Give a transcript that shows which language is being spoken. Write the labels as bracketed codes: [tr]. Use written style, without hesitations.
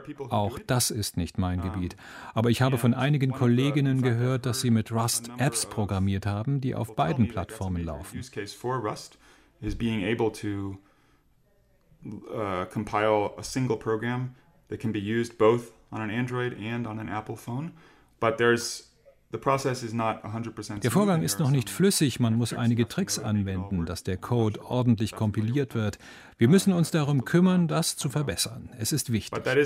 [de] Auch das ist nicht mein Gebiet. Aber ich habe von einigen Kolleginnen gehört, dass sie mit Rust Apps programmiert haben, die auf beiden Plattformen laufen. [en] Use case for Rust is being able to compile a single program that can be used both on an Android and on an Apple phone, but there's. [de] Der Vorgang ist noch nicht flüssig, man muss einige Tricks anwenden, dass der Code ordentlich kompiliert wird. Wir müssen uns darum kümmern, das zu verbessern. Es ist wichtig.